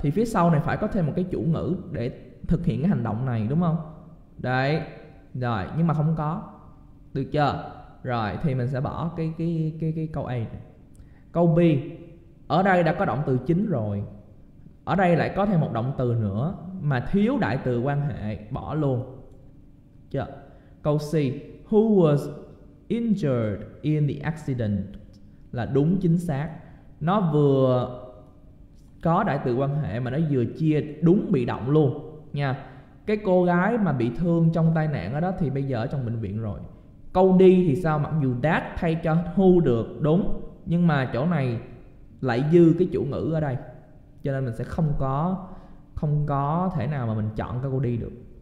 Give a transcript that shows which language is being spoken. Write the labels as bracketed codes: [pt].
[vi] Thì phía sau này phải có thêm một cái chủ ngữ để thực hiện cái hành động này, đúng không? Đấy. Rồi, nhưng mà không có, được chưa? Rồi, thì mình sẽ bỏ cái câu A. Câu B. Ở đây đã có động từ chính rồi, ở đây lại có thêm một động từ nữa mà thiếu đại từ quan hệ, bỏ luôn. Chưa? Câu C. [en] Who was injured in the accident? [vi] là đúng chính xác. Nó vừa có đại từ quan hệ mà nó vừa chia đúng bị động luôn nha. Cái cô gái mà bị thương trong tai nạn ở đó thì bây giờ ở trong bệnh viện rồi. Câu đi thì sao, mặc dù that thay cho who được đúng, nhưng mà chỗ này lại dư cái chủ ngữ ở đây, cho nên mình sẽ không có thể nào mà mình chọn cái câu đi được.